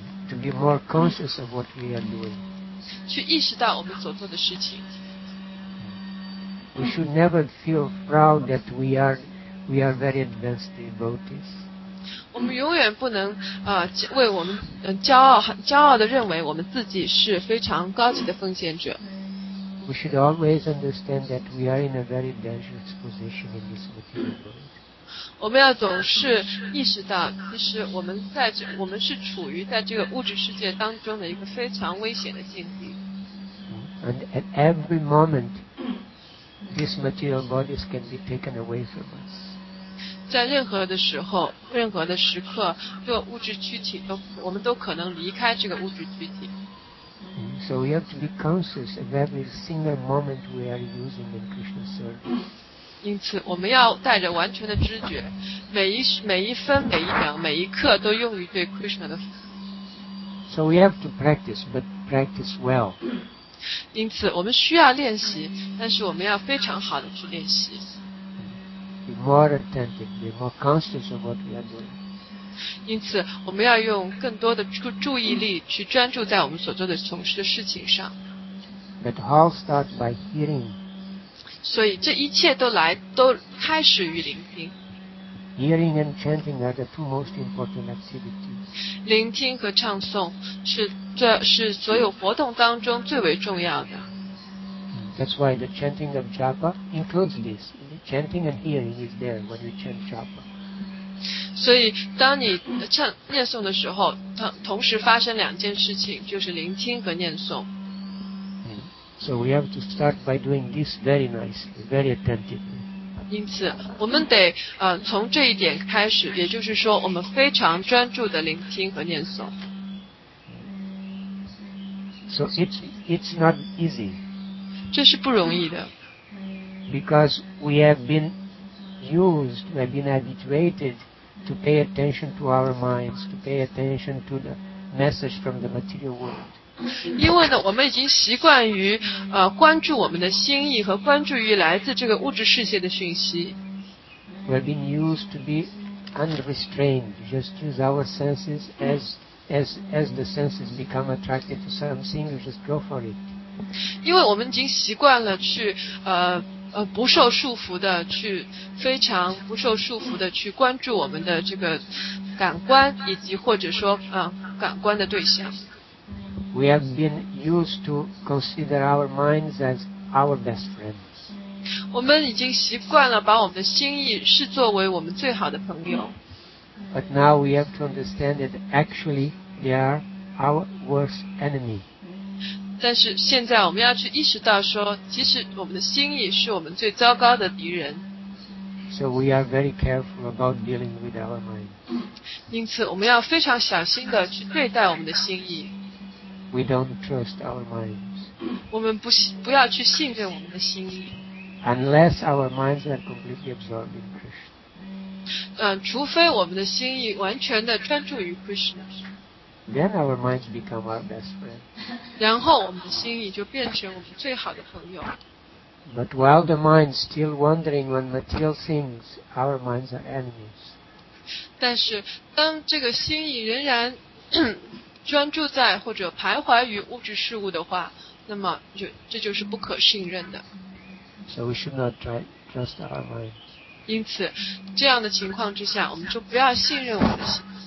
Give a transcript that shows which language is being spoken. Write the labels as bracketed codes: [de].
[en] To be more conscious of what we are doing. [zh] 去意识到我们所做的事情。 [en] We should never feel proud that we are very advanced devotees. [zh] 我们永远不能为我们骄傲的认为我们自己是非常高级的奉献者。 [en] We should always understand that we are in a very dangerous position in this material world. [zh] 我们要总是意识到，其实我们是处于在这个物质世界当中的一个非常危险的境地。 [en] And at every moment. These material bodies can be taken away from us. [zh] 在任何的时候任何的时刻做物质躯体都我们都可能离开这个物质躯体。 [en] So we have to be conscious of every single moment we are using in Krishna service. [zh] 因此我们要带着完全的知觉每一分每一秒每一刻都用于对 Krishna 的服务。 [en] So we have to practice, but practice well. [zh] 因此我们需要练习但是我们要非常好的去练习。 [en] Be more attentive, be more conscious of what we are doing. [zh] 因此我们要用更多的注意力去专注在我们所做的从事的事情上。 [en] But all starts by hearing. [zh] 所以这一切都开始于聆听。 [en] Hearing and chanting are the two most important activities. [zh] 聆听和唱诵是所有活动当中最为重要的。 [en] That's why the chanting of japa includes this. Chanting and hearing is there when you chant japa. [zh] 所以当你唱念诵的时候同时发生两件事情就是聆听和念诵。 [en] So we have to start by doing this very nicely, very attentively. [zh] 因此我们得从这一点开始也就是说我们非常专注的聆听和念诵。 [en] So it's not easy. [zh] 这是不容易的。 [en] Because we have been used, we have been habituated,to pay attention to our minds, to pay attention to the message from the material world. [zh] 因为呢，我们已经习惯于关注我们的心意和关注于来自这个物质世界的讯息。 [en] We have been used to be unrestrained, just use our senses as the senses become attracted to something, you just go for it. [zh] 因为我们已经习惯了去不受束缚的去非常不受束缚的去关注我们的这个感官以及或者说感官的对象。 [en] We have been used to consider our minds as our best friends. [zh] 我们已经习惯了把我们的心意视作为我们最好的朋友。 [en] But now we have to understand that actually they are our worst enemy. [zh] 但是现在我们要去意识到说其实我们的心意是我们最糟糕的敌人。 [en] So we are very careful about dealing with our mind. [zh] 因此我们要非常小心地去对待我们的心意。 [en] We don't trust our minds. [zh] 我们不要去信任我们的心意。 [en] Unless our minds are completely absorbed in Krishna. [zh] 除非我们的心意完全地专注于 Krishna。 [en] Then our minds become our best friend. [zh] 然后我们的心意就变成我们最好的朋友。 [en] But while the mind still wandering on material things, our minds are enemies. [zh] 但是当这个心意仍然专注在或者徘徊于物质事物的话，那么这就是不可信任的。 [en] So we should not trust our minds. [zh] 因此，这样的情况之下，我们就不要信任我们的心。